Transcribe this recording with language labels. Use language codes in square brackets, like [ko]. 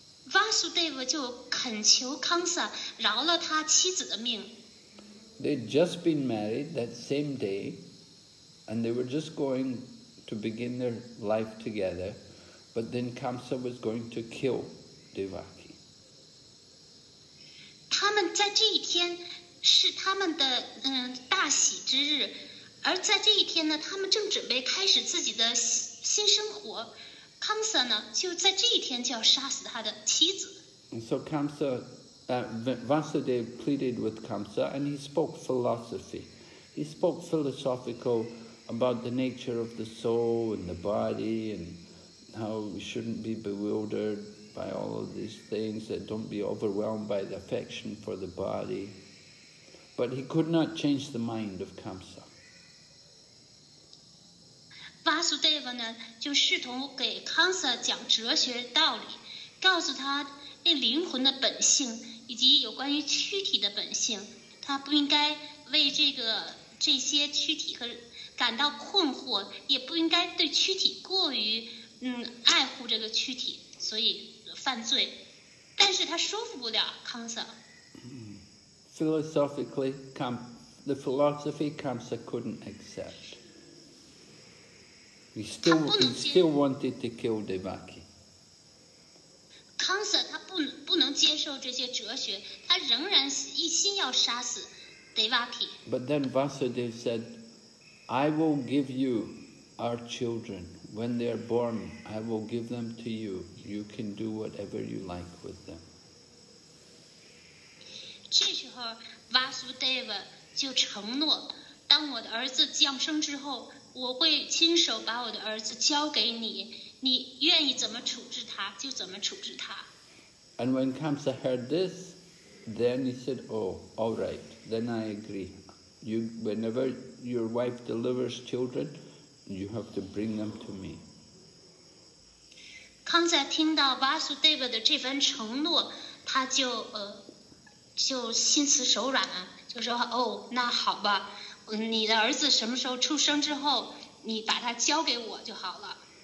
[zh] Vasudeva 就恳求康萨饶了他妻子的命。 [en] They'd just been married that same day, and they were just going to begin their life together, but then Kamsa was going to kill Devaki. [zh] 他们在这一天是他们的大喜之日，而在这一天呢，他们正准备开始自己的新生活。 Kamsa 呢，就在这一天就要杀死他的妻子。 [en] And so Kamsa, Vasudeva pleaded with Kamsa, and he spoke philosophy. He spoke philosophical about the nature of the soul and the body and how we shouldn't be bewildered by all of these things, that don't be overwhelmed by the affection for the body. But he could not change the mind of Kamsa. [zh] Vasudeva 呢，就试图给 Kamsa 讲哲学道理，告诉他那灵魂的本性以及有关于躯体的本性，他不应该为这些躯体和感到困惑，也不应该对躯体过于爱护这个躯体，所以犯罪。但是他说服不了 Kamsa。 [en] Philosophically, the philosophy Kamsa couldn't accept. He still wanted to kill Devaki. [zh] Kamsa, 他不能接受这些哲学，他仍然一心要杀死 Devaki. [en] But then Vasudev said, "I will give you our children. When they are born, I will give them to you. You can do whatever you like with them." [zh] 这时候 ，Vasudeva 就承诺，当我的儿子降生之后，我会亲手把我的儿子交给你，你愿意怎么处置他就怎么处置他。 [en] And when Kamsa heard this, then he said, "Oh, all right. Then I agree. You, whenever your wife delivers children, you have to bring them to me." [zh] Kamsa 听到 Vasudeva 的这份承诺，他就就心慈手软，就说哦，那好吧，你的儿子什么时候出生之后，你把他交给我就好了。